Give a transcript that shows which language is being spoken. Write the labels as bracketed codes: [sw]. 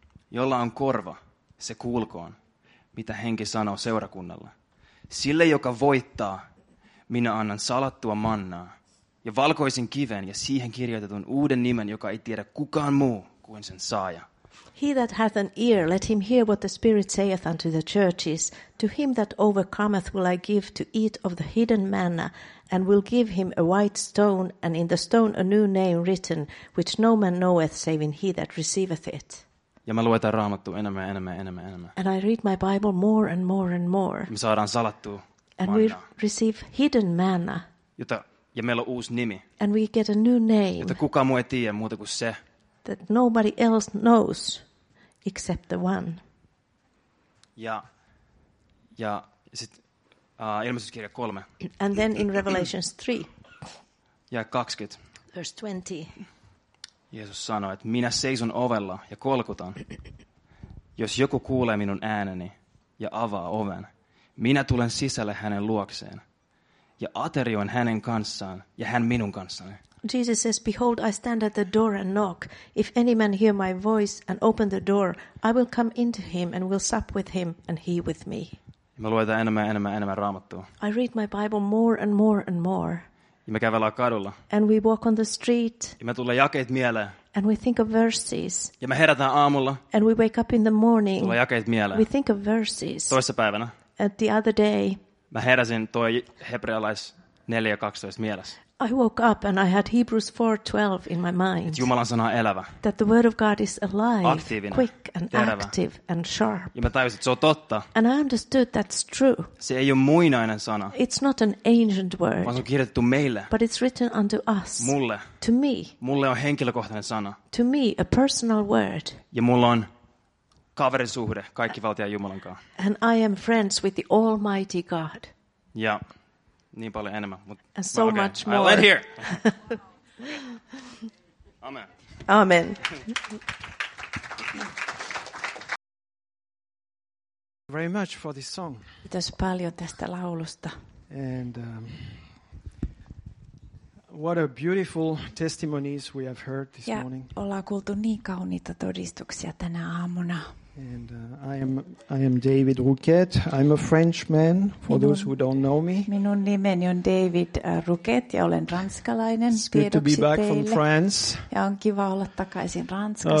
[fi] Jolla on korva, se kuulkoon, mitä henki sanoo seurakunnalle. Sille, joka voittaa, minä annan salattua mannaa ja valkoisen kiven ja siihen kirjoitetun uuden nimen, joka ei tiedä kukaan muu kuin sen saaja. [en] He that hath an ear, let him hear what the Spirit saith unto the churches. To him that overcometh will I give to eat of the hidden manna, and will give him a white stone, and in the stone a new name written, which no man knoweth, saving he that receiveth it. [fi] Ja mä luetan Raamattua enemmän. [en] And I read my Bible more and more. [fi] Me saadaan salattua mannaa. [en] And we receive hidden manna. [fi] Ja meillä on uusi nimi. [en] And we get a new name. [fi] Jota kukaan muu ei tiedä muuta kuin se. [en] That nobody else knows except the one. [fi] Ja sit ilmestyskirja 3. [en] And then in Revelation 3. [fi] Ja 20. [en] Verse 20. [fi] Jeesus sanoi, että minä seison ovella ja kolkutan. Jos joku kuulee minun ääneni ja avaa oven, minä tulen sisälle hänen luokseen ja aterioin hänen kanssaan ja hän minun kanssani. [en] Jesus says, behold, I stand at the door and knock. If any man hear my voice and open the door, I will come into him and will sup with him and he with me. [fi] Mä luetan enemmän Raamattua. [en] I read my Bible more and more. [fi] Ja me kävellään kadulla. [en] And we walk on the street. [fi] Ja me tulee jakeet mieleen. [en] And we think of verses. [fi] Ja me herätään aamulla. [en] And we wake up in the morning. [fi] Tulee jakeet mieleen. [en] We think of verses. [fi] Toissa päivänä. [en] At the other day. [fi] Mä heräsin toi hebrealais 4:12 mielessä. [en] I woke up and I had Hebrews 4:12 in my mind. [fi] Et Jumalan sana on elävä. [en] That the word of God is alive. [fi] Aktiivinen. [en] Quick and [fi] terävä. [en] Active and sharp. [fi] Ja mä tajusin, että se on totta. [en] And I understood that's true. [fi] Se ei ole muinainen sana. [en] It's not an ancient word. [fi] Vaan se on kirjoitettu meille. [en] But it's written unto us. [fi] Mulle. [en] To me. [fi] Mulle on henkilökohtainen sana. [en] To me, a personal word. [fi] Ja mulla on kaverisuhde kaikkivaltiaan Jumalan kanssa. [en] And I am friends with the Almighty God. [fi] Ja niin paljon enemmän, mutta [en] and so much more. I'll end here. Amen. Amen. Very much for this song. [fi] Kiitos paljon tästä laulusta. [en] And what a beautiful testimonies we have heard this morning. [fi] Ja ollaan kuultu niin kauniita todistuksia tänä aamuna. [en] And I am David Rouquet. I'm a Frenchman, for [fi] minun, [en] those who don't know me. [fi] Minun nimeni on David Rouquet ja olen ranskalainen. [en] It's good to be back [fi] teille. [en] From France. [fi] Ja on kiva olla takaisin Ranskasta.